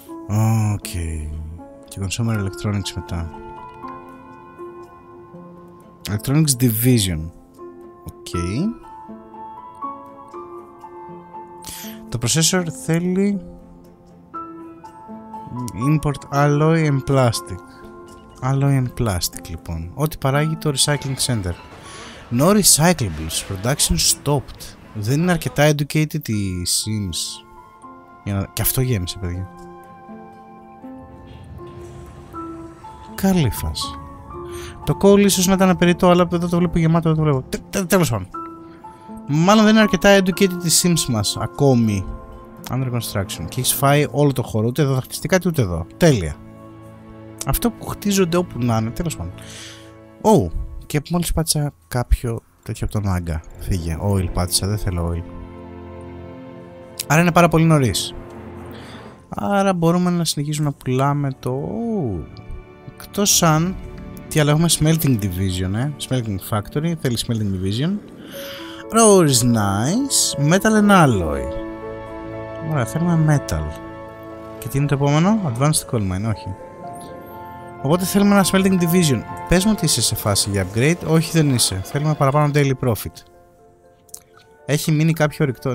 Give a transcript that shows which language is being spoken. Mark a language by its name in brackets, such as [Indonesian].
[Greek] Okay. Και Consumer Electronics μετά. [English] Electronics Division. Okay. [Greek] Το processor θέλει... [English] Import alloy and plastic. Alloy and plastic λοιπόν. [Greek] Ό,τι παράγει το recycling center. No recyclables. Production stopped. Δεν είναι αρκετά educated οι Sims. Για να... Και αυτό γέμισε παιδιά. Καλή φάση. Το coal ίσως να ήταν απεριτό, αλλά εδώ το βλέπω γεμάτο, εδώ το βλέπω. Τέλος πάντων. Μάλλον δεν είναι αρκετά educated οι Sims μας ακόμη. Under construction. Και έχεις φάει όλο το χώρο, ούτε εδώ θα χτιστεί κάτι ούτε εδώ. Τέλεια. Αυτό που χτίζονται όπου να είναι, τέλος πάντων. Ω, και μόλις πάτησα κάποιο τέτοιο από τον Άγκα. Φύγε. Oil πάτησα, δεν θέλω oil. Άρα είναι πάρα πολύ νωρίς. Άρα μπορούμε να συνεχίσουμε να πουλάμε το... Εκτός αν... Τι άλλο έχουμε, smelting division, ε. Smelting factory, θέλει smelting division. [English] Rose is nice. Metal and alloy. [Greek] Ωραία, θέλουμε metal. Και τι είναι το επόμενο, advanced coal mine, όχι. Οπότε θέλουμε ένα smelting division. Πες μου ότι είσαι σε φάση για upgrade. Όχι, δεν είσαι. Θέλουμε παραπάνω daily profit. Έχει μείνει κάποιο ρηκτό.